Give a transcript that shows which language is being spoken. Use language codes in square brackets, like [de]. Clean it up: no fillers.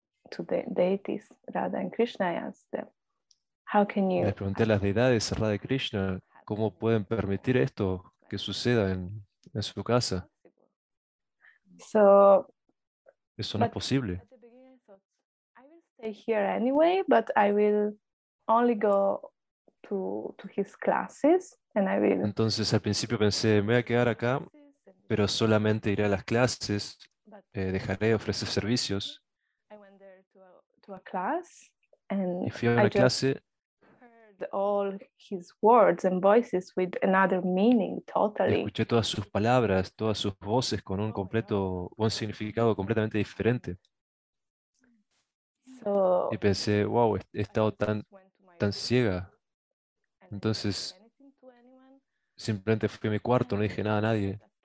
[en] To the deities, Radha and Krishna, I asked them, how can you? [es] Les pregunté a las deidades, Radha y Krishna, ¿cómo pueden permitir esto que suceda en su casa? [en] So, [es] eso no es posible. [en] I will stay here anyway, but I will only go to his classes and I will. [es] Entonces al principio pensé, me voy a quedar acá, pero solamente iré a las clases, dejaré de ofrecer servicios. [en] I went there to a class and [es] y fui a una clase. [en] All his words and voices with another meaning totally. [es] Escuché todas sus palabras, todas sus voces con un completo, un significado completamente diferente. [en] So, [es] y pensé, wow, he estado tan ciega. Entonces, simplemente fui a mi cuarto, no dije nada a nadie.